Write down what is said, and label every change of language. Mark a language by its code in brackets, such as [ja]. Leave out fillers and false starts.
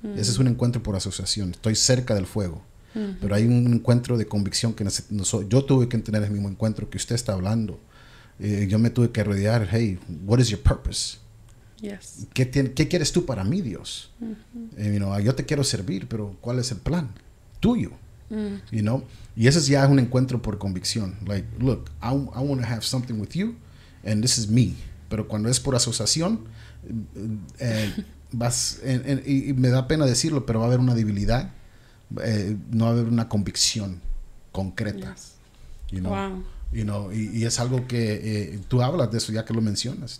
[es] Ese es un encuentro por asociación. Estoy cerca del fuego. Pero hay un encuentro de convicción que yo tuve que tener el mismo encuentro que usted está hablando. Yo me tuve que rodear. [en] Hey, what is your purpose? [es] ¿Qué quieres tú para mí, Dios? Yo te quiero servir, pero ¿cuál es el plan tuyo? Y ese ya es un encuentro por convicción. [en] Like, look, I want to have something with you, and this is me. [es] Pero cuando es por asociación, y me da pena decirlo, pero va a haber una debilidad, no va a haber una convicción concreta. Y es algo que tú hablas de eso ya que lo mencionas.